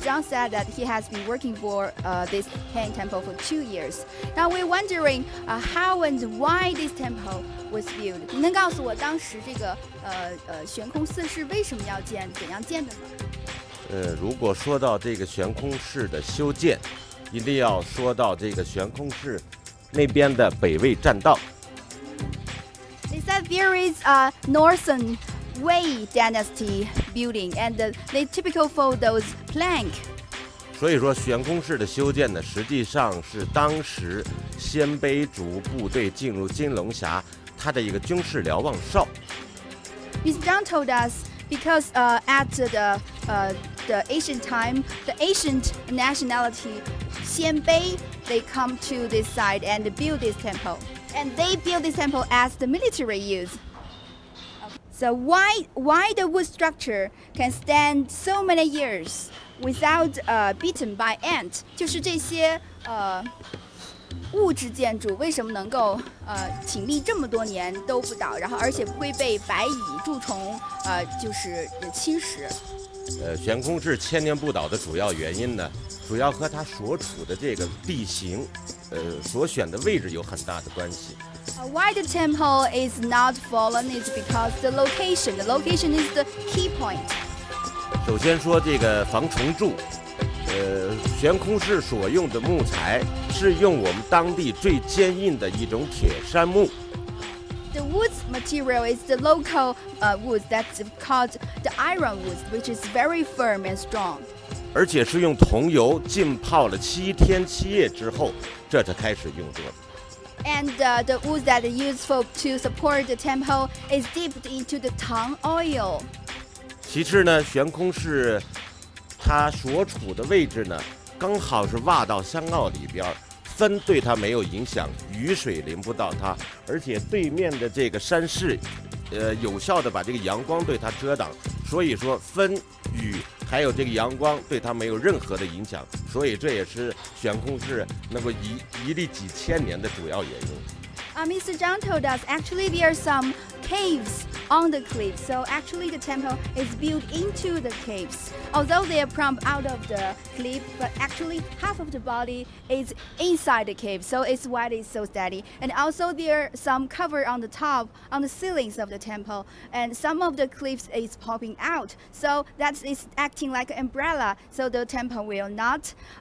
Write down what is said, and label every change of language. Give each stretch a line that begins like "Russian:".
English: Zhang said that he has been working for this Hanging Temple for 2 years. Now we're wondering how and why this temple was built.
Chinese: 你能告诉我当时这个悬空寺是为什么要建，怎样建的吗？如果说到这个悬空寺的修建，一定要说到这个悬空寺那边的北魏栈道。
English: They said there is a Northern Wei Dynasty building, and they typical for those plank.
Chinese: 所以说悬空寺的修建呢，实际上是当时鲜卑族部队进入金龙峡，它的一个军事瞭望哨。
English: Mr. Zhang told us. Because at the ancient time, the ancient nationality, Xianbei, they come to this side and build this temple. And they build this temple as the military use. So why the wood structure can stand so many years without beaten by ant?
Chinese: 就是这些物质建筑为什么能够挺立这么多年都不倒，然后而且不会被白蚁蛀虫就是侵蚀。悬空寺千年不倒的主要原因呢，主要和它所处的这个地形，所选的位置有很大的关系。
English: Why the temple is not fallen is because the location. The location is the key point.
Chinese: 首先说这个防虫蛀。悬空寺所用的木材是用我们当地最坚硬的一种铁杉木。
English: The wood material is the local wood that's called the iron wood, which is very firm and strong.
Chinese: 而且是用桐油浸泡了7天7夜之后，这才开始运作。
English: And the wood that is used to support the temple is dipped into the tan oil.
Chinese: 其次呢，悬空寺。它所处的位置呢，刚好是洼道相澳里边，风对它没有影响，雨水淋不到它，而且对面的这个山势，有效的把这个阳光对它遮挡，所以说风雨还有这个阳光对它没有任何的影响，所以这也是悬空寺能够屹立几千年的主要原因。
English: Mr. Zhang told us actually there are some caves on the cliff, so actually the temple is built into the caves. Although they are prompt out of the cliff, but actually half of the body is inside the cave, so it's why it's so steady. And also there are some cover on the top, on the ceilings of the temple, and some of the cliffs is popping out, so that is acting like an umbrella, so the temple will not...